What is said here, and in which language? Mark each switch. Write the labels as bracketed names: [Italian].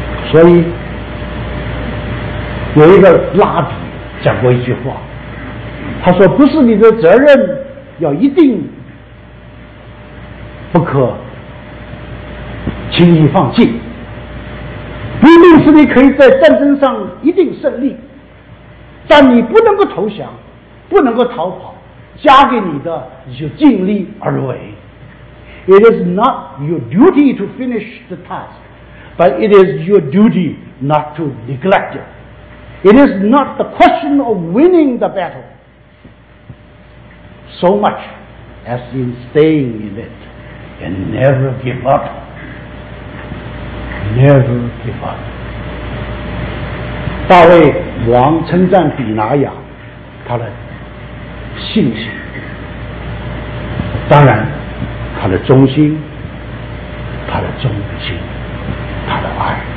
[Chinese] 所以有一个拉比讲过一句话，他说不是你的责任要一定不可轻易放弃，不一定是你可以在战争上一定胜利，但你不能够投降，不能够逃跑，加给你的你就尽力而为。 [English] It is not your duty to finish the task, but it is your duty not to neglect it. It is not the question of winning the battle so much as in staying in it and never give up. Never give up. [Chinese] 大卫王称赞比拿雅他的信心，当然他的忠心，他的忠心，他的爱。